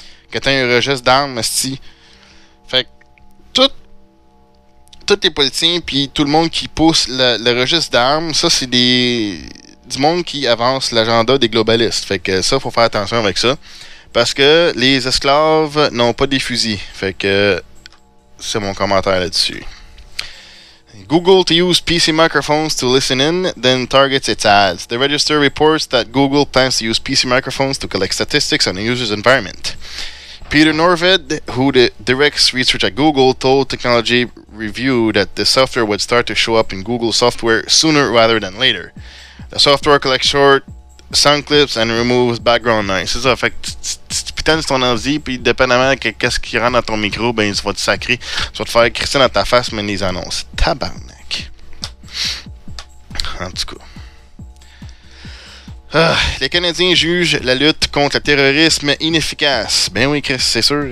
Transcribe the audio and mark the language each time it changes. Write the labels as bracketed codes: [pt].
[fr] Que t'as un registre d'armes, c'ti. Fait que, tous les politiciens, pis tout le monde qui pousse le registre d'armes, ça, c'est du monde qui avance l'agenda des globalistes. Fait que ça, faut faire attention avec ça. Parce que les esclaves n'ont pas des fusils. Fait que c'est mon commentaire là-dessus. [en] Google to use PC microphones to listen in, then targets its ads. The Register reports that Google plans to use PC microphones to collect statistics on a user's environment. Peter Norvid, who directs research at Google, told Technology Review that the software would start to show up in Google software sooner rather than later. The software collects short sound clips and removes background noise. [fr] C'est ça, fait que tu pitonnes ton ordi, puis dépendamment de ce qui rentre dans ton micro, ben il va te sacrer. Il va te faire crisser dans ta face, mais les annonces. Tabarnak. En tout cas. Ah, les Canadiens jugent la lutte contre le terrorisme inefficace. Ben oui, Chris, c'est sûr.